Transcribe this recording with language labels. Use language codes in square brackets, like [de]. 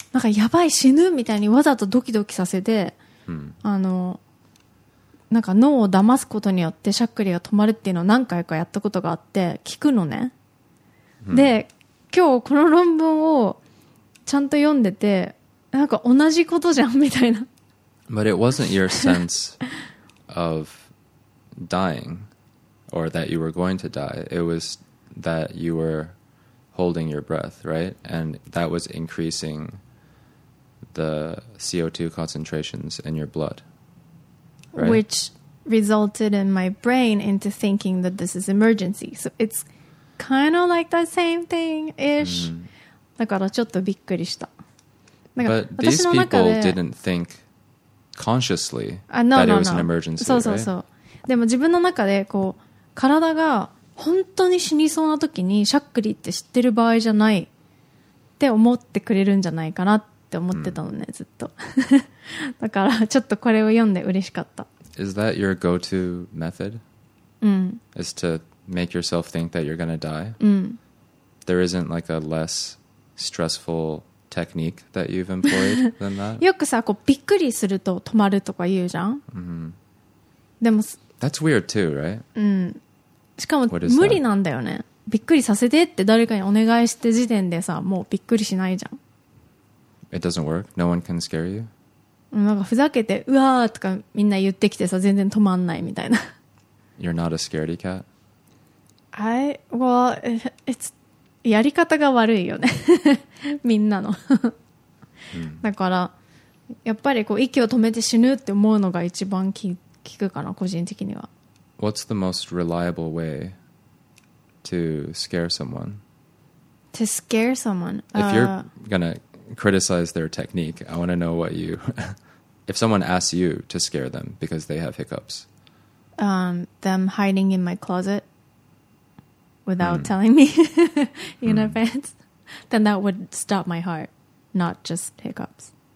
[ja] なんかやばい死ぬみたいにわざとドキドキさせて、うん、あのなんか脳を騙すことによってしゃっくりが止まるっていうのを何回かやったことがあって聞くのね、うん、で今日この論文をちゃんと読んでてなんか同じことじゃんみたいな [en] But it wasn't your sense of dying or that you were going to die. It was that you were holding your breath, right? And that was increasing the CO2 concentrations in your blood. Right. Which resulted in my brain into thinking that this is emergency. So it's kind of like the same thing-ish.、Mm. [ja] だからちょっとびっくりした。 [en] なんか But these people didn't think consciously、 no, that it no, was no. an emergency, [ja] そうそうそうそうそうそう。でも自分の中でこう体が本当に死にそうな時にしゃっくりって知ってる場合じゃないって思ってくれるんじゃないかなってって思ってたのね、うん、ずっとだからちょっとこれを読んで嬉しかった [en] Is that your go-to method? [ja] うん [en] Is to make yourself think that you're gonna die? [ja] うん [en] There isn't like a less stressful technique that you've employed than that? [ja] よくさこうびっくりすると止まるとか言うじゃん、うん、でも [en] That's weird too, right? [ja] うんしかも無理なんだよねびっくりさせてって誰かにお願いして時点でさもうびっくりしないじゃん [en] It doesn't work. No one can scare you. [ja] なんかふざけてうわーとかみんな言ってきてさ全然止まんないみたいな。 [en] You're not a scaredy cat. I well, it's [ja] やり方が悪いよね。みんなの。だからやっぱりこう息を止めて死ぬって思うのが一番聞くかな個人的には。 [en] What's the most reliable way to scare someone? To scare someone. If you're gonna criticize their technique. I want to know what you if someone asks you to scare them because they have hiccups. Them hiding in my closet without telling me in advance, then that would stop my heart, not just hiccups.